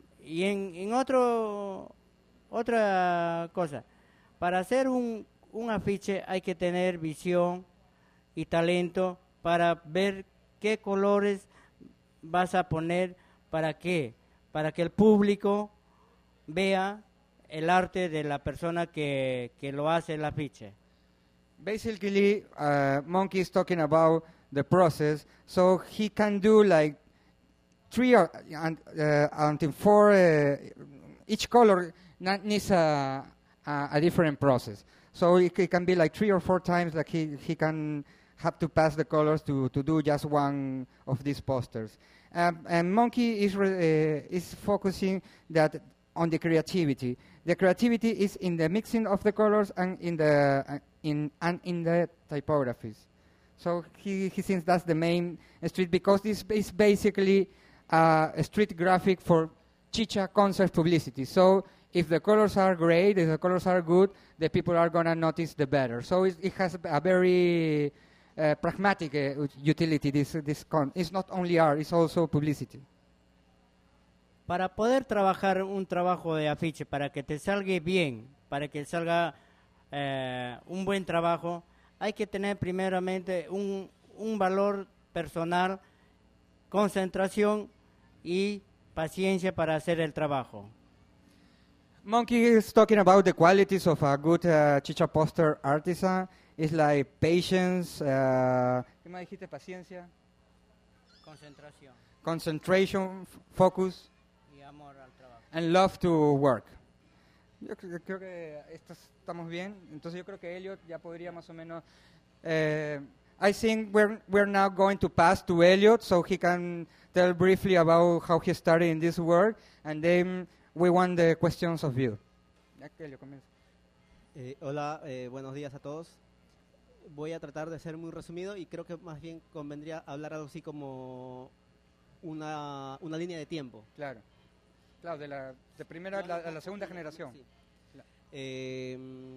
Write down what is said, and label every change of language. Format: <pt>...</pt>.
<es>Y en otra cosa, para hacer un afiche hay que tener visión y talento para ver qué colores vas a poner, para qué, para que el público vea el arte de la persona que lo hace el afiche.</es> <en>Basically, Monkey is talking about the process, so he can do like 3 or 4, each color needs a different process. So it can be like 3 or 4 times that he can have to pass the colors to do just one of these posters. And Monkey is focusing that on the creativity. The creativity is in the mixing of the colors and in the typographies. So he thinks that's the main street, because this is basically a street graphic for chicha concert publicity. So if the colors are great, if the colors are good, the people are going to notice the better. So it has a very pragmatic utility, this con. It's not only art, it's also publicity.</en> <es>Para poder trabajar un trabajo de afiche, para que te salga bien, para que salga un buen trabajo, hay que tener primeramente un valor personal, concentración y paciencia para hacer el trabajo.</es> <en>Monkey is talking about the qualities of a good chicha poster artisan. It's like patience.</en> <es>¿Qué más dijiste? Paciencia. Concentración.</es> <en>Concentration, focus.</en> <es>Y amor al trabajo.</es> <en>And love to work.</en> <es>Yo creo que estamos bien. Entonces yo creo que Elliot ya podría más o menos.</es> <en>I think we're now going to pass to Elliot so he can tell briefly about how he started in this work, and then we want the questions of you.</en> <es>Elliot, comienza. Hola, buenos días a todos. Voy a tratar de ser muy resumido y creo que más bien convendría hablar algo así como una línea de tiempo. Claro. Claro, de primera a la segunda generación. Sí.</es>